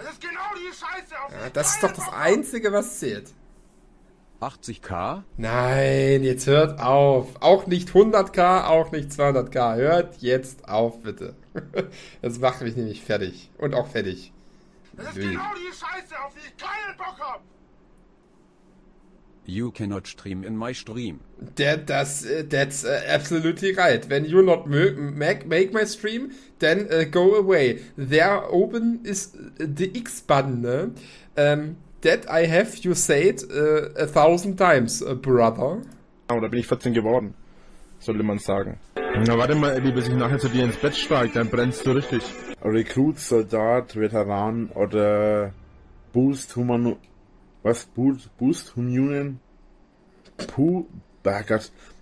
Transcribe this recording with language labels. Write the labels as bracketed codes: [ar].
[de] Das ist genau die Scheiße. Ja, das ist doch das Einzige, was zählt. 80.000? Nein, jetzt hört auf. Auch nicht 100.000, auch nicht 200.000. Hört jetzt auf, bitte. Das macht mich nämlich fertig. Und auch fertig. Das ist genau die Scheiße, auf die ich keinen Bock hab! [en] You cannot stream in my stream. That's absolutely right. When you not make my stream, then go away. There [de] oben ist [en] the X-Button, ne? That I have you said 1000 times, brother. [de] Oh, da bin ich 14 geworden, sollte man sagen. Na warte mal, Eddie, bis ich nachher zu dir ins Bett steig, dann brennst du richtig. Rekrut, Soldat, Veteran oder Boost Human... Was? Boost Humanen? Bergert.